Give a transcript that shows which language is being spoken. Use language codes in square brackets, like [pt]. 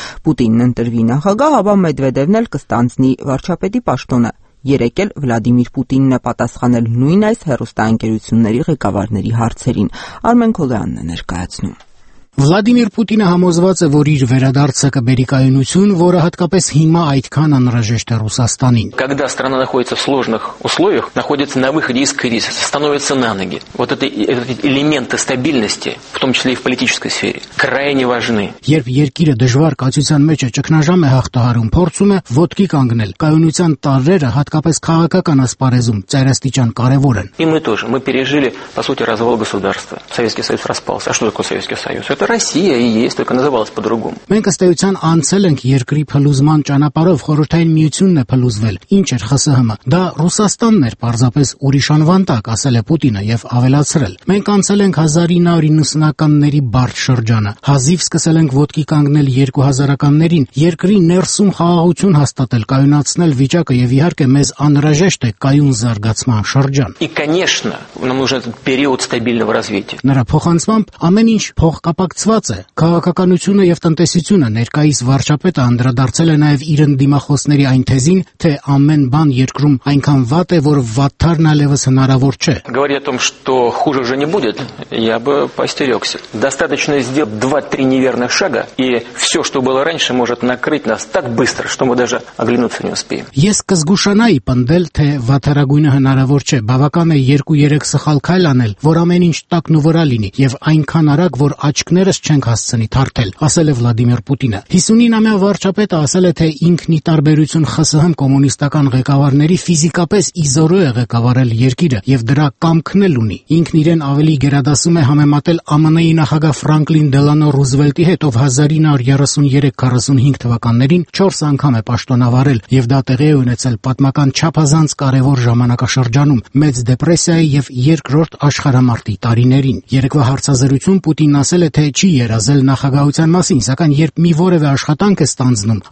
[hy] Պուտինն ընտրվի նախագահ, ապա Մեդվեդևն էլ կստանձնի վարչապետի պաշտոնը։ Երեկել Վլադիմիր Պուտինն է պատասխանել նույն այս հեռուստաընկերությունների ղեկավարների հարցերին։ Արմեն Քոլեանն է ներկայացնում։ Վլադիմիր Պուտինը համոզված է, որ իր վերադարձը կբերի կայունություն, որը հատկապես հիմա այդքան անհրաժեշտ է Ռուսաստանին։ [ru] Когда страна находится в сложных условиях, находится на выходе из кризиса, становится на ноги. Вот эти элементы стабильности, в том числе и в политической сфере, крайне важны. [hy] Երբ երկիրը դժվար կացության մեջ է ճգնաժամ է հաղթահարում, փորձում է ոտքի կանգնել, կայունության տարրերը հատկապես քաղաքական ասպարեզում ծայրաստիճան կարևոր են։ [ru] И мы тоже, мы пережили, по сути, развал государства. Советский Союз распался. А что такое Советский Союз? это Россия и есть, только называлась по-другому. [hy] Մենք հստայության անցել ենք երկրի փլուզման ճանապարհով, խորհրդային միությունն է փլուզվել, ինչ էր ԽՍՀՄ, դա Ռուսաստանն էր պարզապես ուրիշ անվան տակ, ասել է Պուտինը եւ ավելացրել. Մենք անցել ենք 1990-ականների բարձ շրջանը, հազիվ սկսել ենք ոտքի կանգնել 2000-ականներին, երկրի ներսում խաղաղություն հաստատել, կայունացնել վիճակը եւ իհարկե մեզ անհրաժեշտ է կայուն զարգացման շրջան։ [ru] И, конечно, нам нужен этот период стабильного развития. [hy] Նրա փոխանցումը ամեն ինչ փոխկապակցված է։ Քաղաքականությունը եւ տնտեսությունը ներկայիս վարչապետը անդրադարձել է նաեւ իր ընդդիմախոսների այն թեզին, թե ամեն բան երկրում այնքան վատ է, որ վատթարն այլևս հնարավոր չէ։ [ru] Говоря о том, что хуже уже не будет, я бы постерёгся. Достаточно сделать 2-3 неверных шага, и всё, что было раньше, может накрыть нас так быстро, что мы даже оглянуться не успеем. [hy] Ես կզգուշանայի պնդել, թե վատթարագույնը հնարավոր չէ, բավական է 2-3 սխալ քայլ անել, որ ամեն ինչ տակն ու վրա լինի, եւ այնքան արագ, որ աչքերս չենք հասցնի թարթել, ասել է Վլադիմիր Պուտինը։ 59-ամյա վարչապետը ասել է, թե ինքնի տարբերություն ԽՍՀՄ կոմունիստական ղեկավարների ֆիզիկապես իզորո է ղեկավարել երկիրը եւ դրա կամքն էլ ունի։ Ինքն իրեն ավելի գերադասում է համեմատել ԱՄՆ-ի նախագահ Ֆրանկլին Դելանո Ռուզվելտի հետ, ով 1933-45 թվականներին 4 անգամ է պաշտոնավարել եւ դա տեղի է ունեցել պատմական չափազանց կարեւոր ժամանակաշրջանում՝ մեծ դեպրեսիայի եւ երկրորդ աշխարհամարտի տարիներին։ Երկրորդ հարցազրույցում Պուտինն ասել է, թե չի երազել նախագահության մասին, սակայն երբ մի որևէ աշխատանք է ստանձնում,